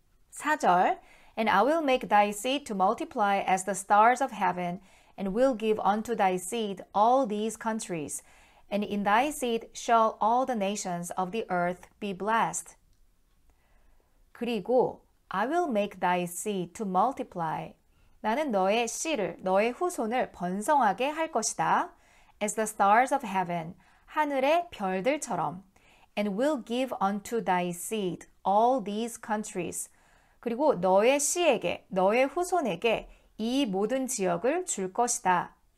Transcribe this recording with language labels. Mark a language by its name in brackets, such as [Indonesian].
[English] 4절 And I will make thy seed to multiply as the stars of heaven and will give unto thy seed all these countries and in thy seed shall all the nations of the earth be blessed. [Korean] 그리고 [English] I will make thy seed to multiply. [Korean] 나는 너의 씨를, 너의 후손을 번성하게 할 것이다. [English] As the stars of heaven, [Korean] 하늘의 별들처럼. [English] And will give unto thy seed all these countries. [Korean] 그리고 너의 씨에게, 너의 후손에게 이 모든 지역을 줄 것이다.